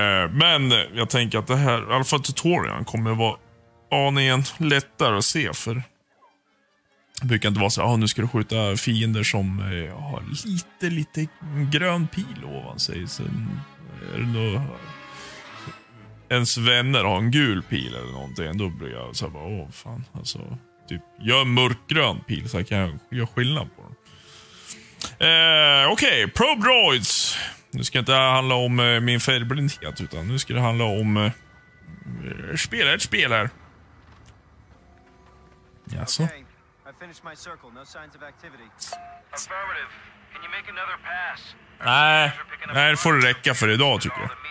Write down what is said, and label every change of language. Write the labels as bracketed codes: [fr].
[sv] Men jag tänker att det här alltså tutorialen kommer vara aningen lättare att se, för det brukar inte vara så nu ska du skjuta fiender som har lite grön pil ovan sig, så är det nog ens vänner har en gul pil eller någonting, då blir jag så här, åh fan, alltså typ, jag är mörkgrön pil så kan jag göra skillnad på dem. Okej, probe droids. Nu ska inte det handla om min färgblindhet, utan nu ska det handla om spelare. Jaså. [en] Okay. I finished my circle. No signs of activity. Affirmative. Can you make another pass? [sv] Nej, det får räcka för idag tycker jag.